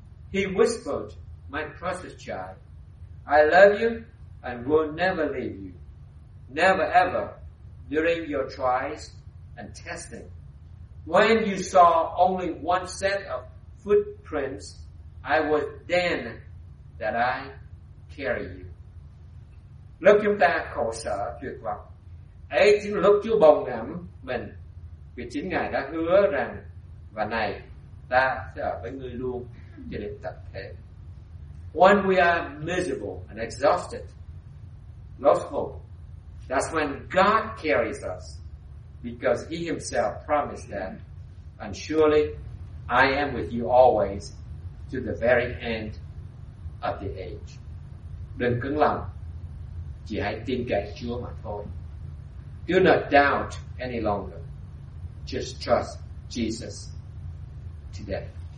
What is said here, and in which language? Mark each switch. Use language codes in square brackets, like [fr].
[en] He whispered, my precious child, I love you and will never leave you. Never ever during your trials and testing. When you saw only one set of footprints, I was then that I carry you. [vi] Lúc chúng ta khổ sở tuyệt vọng, ấy chính lúc Chúa bồng ngắm mình, vì chính Ngài đã hứa rằng, và này, ta sẽ ở với ngươi luôn cho đến tận thế. [en] When we are miserable and exhausted, lost hope, that's when God carries us, because He Himself promised that, and surely I am with you always to the very end of the age. [vi] Đừng cứng lòng, chỉ hãy tin cậy Chúa mà thôi. [en] Do not doubt any longer. Just trust Jesus today.